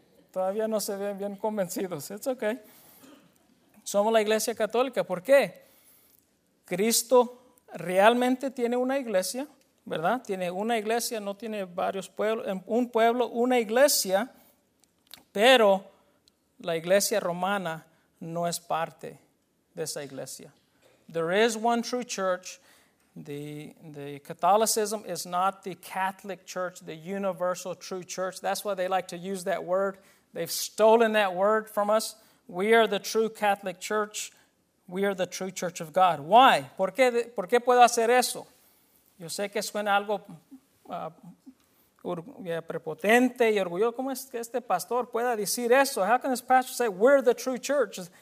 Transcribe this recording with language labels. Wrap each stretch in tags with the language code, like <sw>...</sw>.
<es>Todavía no se ven bien convencidos,</es> <en>it's okay.</en> <es>Somos la iglesia católica, ¿por qué? Cristo realmente tiene una iglesia, ¿verdad? Tiene una iglesia, no tiene varios pueblos, un pueblo, una iglesia, pero la iglesia romana no es parte de esa iglesia.</es> <en>There is one true church. The Catholicism is not the Catholic Church, the universal true church. That's why they like to use that word. They've stolen that word from us. We are the true Catholic Church. We are the true Church of God. Why?</en> <es>¿Por qué puedo hacer eso? Yo sé que suena algo prepotente y orgulloso. ¿Cómo es que este pastor pueda decir eso?</es> <en>How can this pastor say we're the true church?</en>